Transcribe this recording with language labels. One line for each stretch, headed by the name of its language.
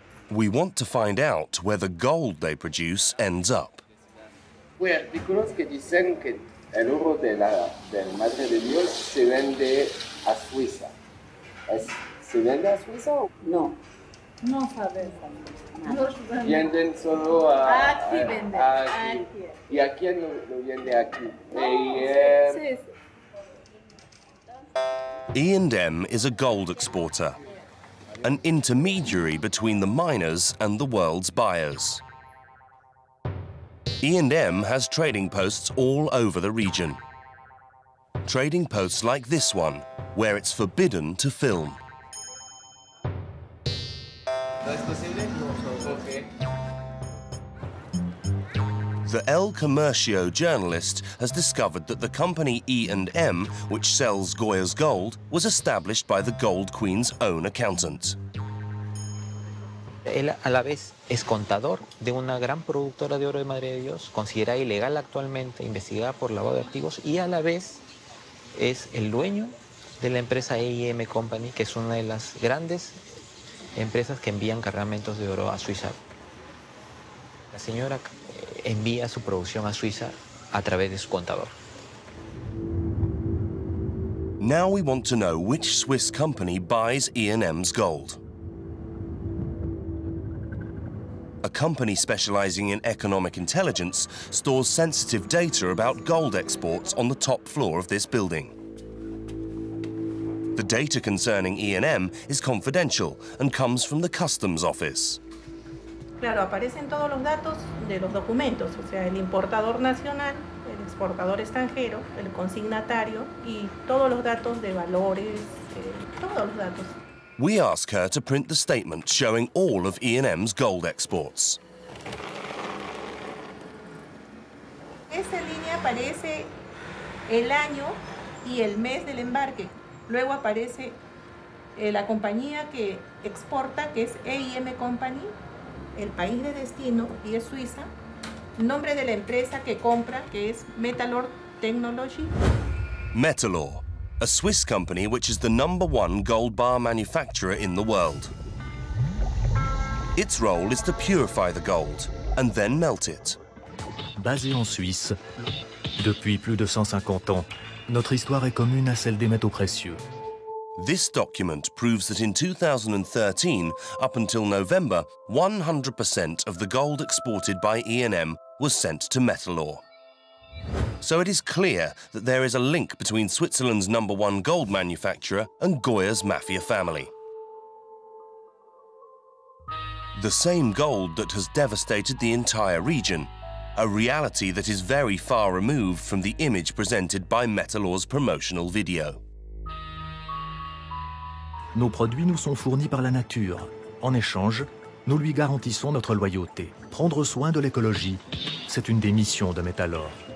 English: We want to find out where the gold they produce ends up.
Spanish: Hay artículos que dicen que el oro de la del Madre de Dios se vende a Suiza. ¿Se vende a Suiza? No. No sabemos. No. Venden solo a... Aquí venden. Aquí. ¿Y a quién lo vende aquí? No, sí, sí.
English: E&M is a gold exporter. An intermediary between the miners and the world's buyers. E&M has trading posts all over the region. Trading posts like this one, where it's forbidden to film. The El Comercio journalist has discovered that the company E&M, which sells Goya's gold, was established by the Gold Queen's own accountant.
Spanish: Él a la vez es contador de una gran productora de oro de Madre de Dios, considerada ilegal actualmente, investigada por lavado de activos, y a la vez es el dueño de la empresa E&M Company, que es una de las grandes empresas que envían cargamentos de oro a Suiza. La señora envía su producción a Suiza a través de su contador.
English: Now we want to know which Swiss company buys E&M's gold. A company specializing in economic intelligence stores sensitive data about gold exports on the top floor of this building. The data concerning E&M is confidential and comes from the customs office.
Spanish: Claro, aparecen todos los datos de los documentos, o sea, el importador nacional, el exportador extranjero, el consignatario y todos los datos de valores, todos los datos.
English: We ask her to print the statement showing all of E&M's gold exports.
Spanish: Esta línea aparece el año y el mes del embarque. Luego aparece la compañía que exporta, que es E&M Company, el país de destino, y es Suiza. Nombre de la empresa que compra, que es Metalor Technology. Metalor.
English: A Swiss company which is the number one gold bar manufacturer in the world. Its role is to purify the gold and then melt it.
French: Basé en Suisse, depuis plus de 150 ans, notre histoire est commune à celle des métaux précieux.
English: This document proves that in 2013, up until November, 100% of the gold exported by E&M was sent to Metalor. So it is clear that there is a link between Switzerland's number one gold manufacturer and Goya's mafia family. The same gold that has devastated the entire region, a reality that is very far removed from the image presented by Metalor's promotional video.
French: Nos produits nous sont fournis par la nature. En échange, nous lui garantissons notre loyauté. Prendre soin de l'écologie, c'est une des missions de Metalor.